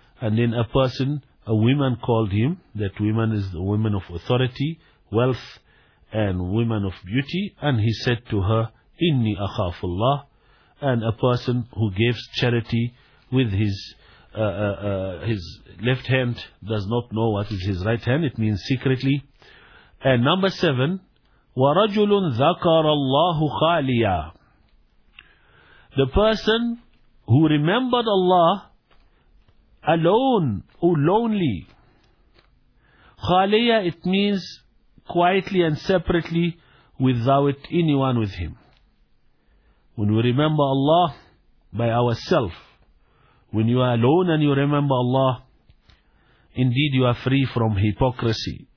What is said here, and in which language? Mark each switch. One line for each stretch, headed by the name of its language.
English: And then a person, a woman called him, that woman is the woman of authority, wealth, and woman of beauty, and he said to her, Inni akhafullah, and a person who gives charity with his his left hand does not know what is his right hand. It means secretly. And number 7,
Arabic: وَرَجُلٌ ذَكَرَ اللَّهُ خَالِيًا.
English: The person who remembered Allah alone or lonely. خَالِيًا, it means quietly and separately without anyone with him. When we remember Allah by ourselves, when you are alone and you remember Allah, indeed you are free from hypocrisy.